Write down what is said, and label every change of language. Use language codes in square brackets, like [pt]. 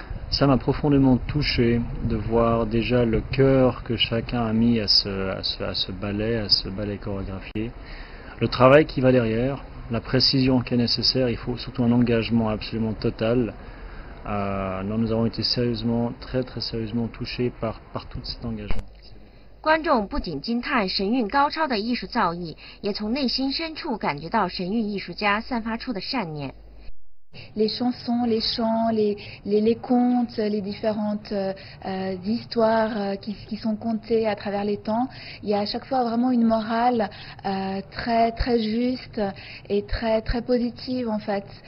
[fr] Ça m'a profondément touché de voir déjà le cœur que chacun a mis à ce ballet chorégraphié. Le travail qui va derrière, la précision qui est nécessaire, il faut surtout un engagement absolument total. Nous avons été sérieusement, très très sérieusement touchés par tout cet engagement. [zh] 观众不仅惊叹神韵高超的艺术造诣，也从内心深处感觉到神韵艺术家散发出的善念。 [fr] Les chansons, les chants, les contes, les différentes histoires qui sont contées à travers les temps. Il y a à chaque fois vraiment une morale très, très juste et très, très positive en fait.